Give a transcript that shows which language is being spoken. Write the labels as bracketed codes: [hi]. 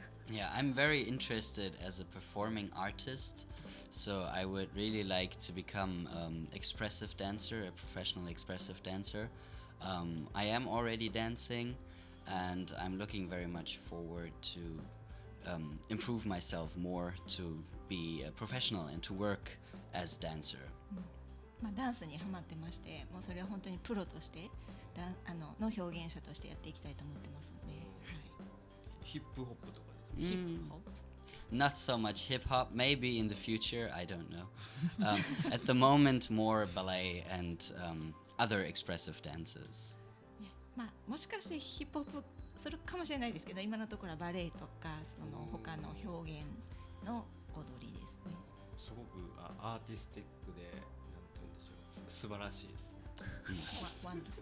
[en] Yeah, I'm very interested as a performing artist, so I would really like to become expressive dancer, a professional expressive dancer. I am already dancing, and I'm looking very much forward to improve myself more to be a professional and to work as dancer. [ja] まあ、ダンスにハマってまして、もうそれは本当にプロとしてだあ の, の表現者としてやっていきたいと思ってますので、はい、ヒップホップとかですか、mm. [en] Not so much hip hop, maybe in the future, I don't know. 、at the moment, more ballet and、other expressive dances. [ja] まあ、もしかしてヒップホップするかもしれないですけど、今のところはバレエとかその他の表現の踊りですね。すごくアーティスティックで素晴らしいですね。